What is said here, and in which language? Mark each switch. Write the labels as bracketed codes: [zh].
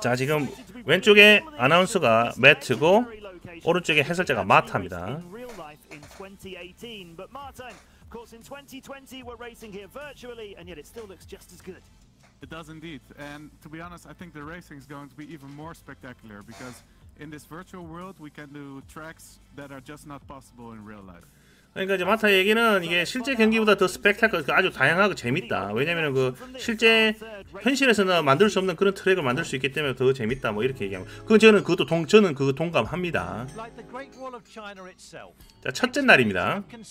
[ko] 자 지금 왼쪽에 아나운서가 매트고 오른쪽에 해설자가 마타입니다. [en] But Martin, of course, in 2020 we're racing here virtually, and yet it still looks just as good. It does indeed. And to be honest, I think the racing is going to be even more spectacular because in this virtual world we can do tracks that are just not possible in real life. [ko] 그러니까 이제 마타 얘기는 이게 실제 경기보다 더 스펙타클, 아주 다양하고 재밌다. 왜냐면은 그 실제 현실에서는 만들 수 없는 그런 트랙을 만들 수 있기 때문에 더 재밌다. 뭐 이렇게 얘기하고. 저는 그거 동감합니다. 자, 첫째 날입니다.